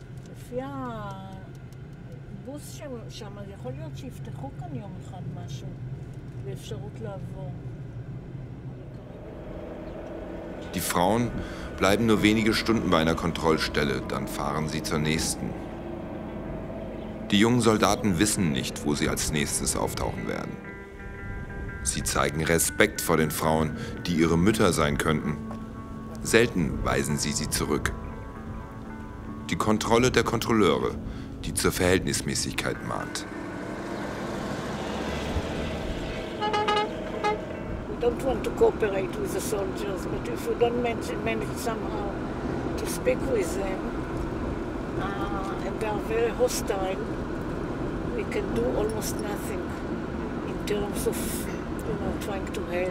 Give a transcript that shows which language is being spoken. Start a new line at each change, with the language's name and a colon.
Hebrew: לפי הבוס שם, יכול להיות שיפתחו כאן יום אחד משהו באפשרות לעבור.
German: Die Frauen bleiben nur wenige Stunden bei einer Kontrollstelle, dann fahren sie zur nächsten. Die jungen Soldaten wissen nicht, wo sie als nächstes auftauchen werden. Sie zeigen Respekt vor den Frauen, die ihre Mütter sein könnten. Selten weisen sie sie zurück. Die Kontrolle der Kontrolleure, die zur Verhältnismäßigkeit mahnt.
English: We don't want to cooperate with the soldiers, but if we don't manage somehow to speak with them, and they are very hostile, we can do almost nothing in terms of, you know, trying to help.